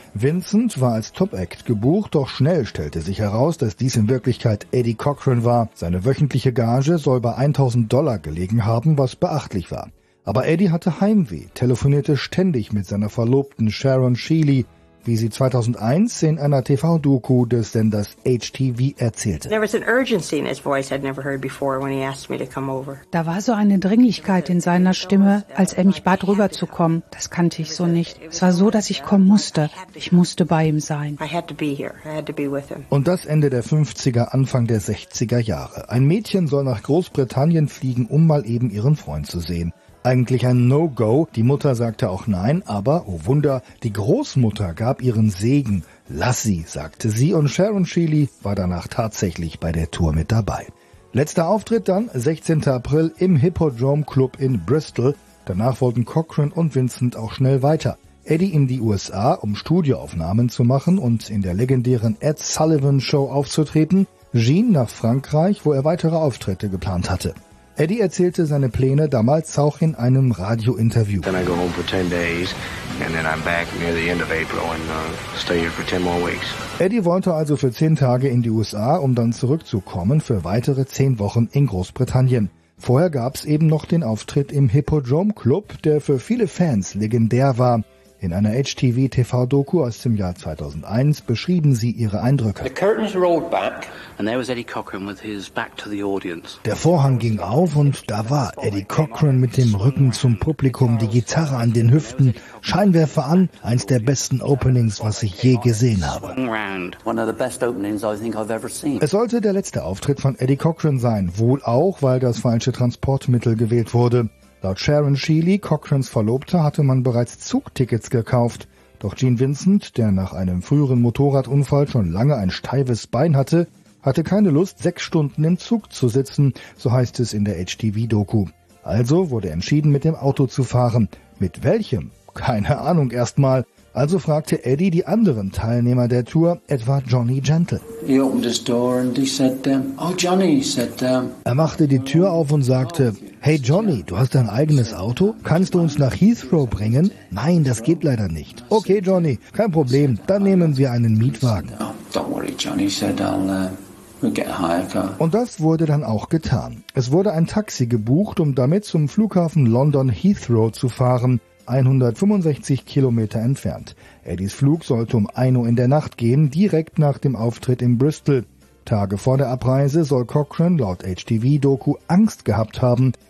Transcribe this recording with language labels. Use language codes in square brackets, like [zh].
[de] Vincent war als Top-Act gebucht, doch schnell stellte sich heraus, dass dies in Wirklichkeit Eddie Cochran war. Seine wöchentliche Gage soll bei $1,000 gelegen haben, was beachtlich war. Aber Eddie hatte Heimweh, telefonierte ständig mit seiner Verlobten Sharon Sheely, wie sie 2001 in einer TV-Doku des Senders HTV erzählte. [en] There was an urgency in his voice I'd never heard before when he asked me to come over. [de] Da war so eine Dringlichkeit in seiner Stimme, als er mich bat, rüberzukommen. Das kannte ich so nicht. Es war so, dass ich kommen musste. Ich musste bei ihm sein. [en] I had to be here. I had to be with him. [de] Und das Ende der 50er, Anfang der 60er Jahre. Ein Mädchen soll nach Großbritannien fliegen, um mal eben ihren Freund zu sehen. Eigentlich ein No-Go, die Mutter sagte auch nein, aber, oh Wunder, die Großmutter gab ihren Segen. Lass sie, sagte sie, und Sharon Sheely war danach tatsächlich bei der Tour mit dabei. Letzter Auftritt dann, 16. April, im Hippodrome Club in Bristol. Danach wollten Cochran und Vincent auch schnell weiter. Eddie in die USA, um Studioaufnahmen zu machen und in der legendären Ed Sullivan Show aufzutreten. Gene nach Frankreich, wo er weitere Auftritte geplant hatte. Eddie erzählte seine Pläne damals auch in einem Radio-Interview. [en] Then I go home for 10 days and then I'm back near the end of April and stay here for 10 more weeks. [de] Eddie wollte also für 10 Tage in die USA, um dann zurückzukommen für weitere 10 Wochen in Großbritannien. Vorher gab's eben noch den Auftritt im Hippodrome Club, der für viele Fans legendär war. In einer HTV-TV-Doku aus dem Jahr 2001 beschrieben sie ihre Eindrücke. [en] The curtains rolled back and there was Eddie Cochran with his back to the audience. [de] Der Vorhang ging auf und da war Eddie Cochran mit dem Rücken zum Publikum, die Gitarre an den Hüften, Scheinwerfer an, eins der besten Openings, was ich je gesehen habe. [en] One of the best openings I think I've ever seen. [de] Es sollte der letzte Auftritt von Eddie Cochran sein, wohl auch, weil das falsche Transportmittel gewählt wurde. Laut Sharon Sheely, Cochrans Verlobter, hatte man bereits Zugtickets gekauft. Doch Gene Vincent, der nach einem früheren Motorradunfall schon lange ein steifes Bein hatte, hatte keine Lust, 6 Stunden im Zug zu sitzen, so heißt es in der HTV-Doku. Also wurde entschieden, mit dem Auto zu fahren. Mit welchem? Keine Ahnung erstmal. Also fragte Eddie die anderen Teilnehmer der Tour, etwa Johnny Gentle. [en] He opened his door and he said, oh Johnny, he said, [de] Er machte die Tür auf und sagte, hey Johnny, du hast dein eigenes Auto? Kannst du uns nach Heathrow bringen? Nein, das geht leider nicht. Okay Johnny, kein Problem, dann nehmen wir einen Mietwagen. [en] Oh, don't worry Johnny, said I'll... [de] Und das wurde dann auch getan. Es wurde ein Taxi gebucht, um damit zum Flughafen London Heathrow zu fahren, 165 Kilometer entfernt. Eddies Flug sollte um 1 Uhr in der Nacht gehen, direkt nach dem Auftritt in Bristol. Tage vor der Abreise soll Cochran laut HTV-Doku Angst gehabt haben.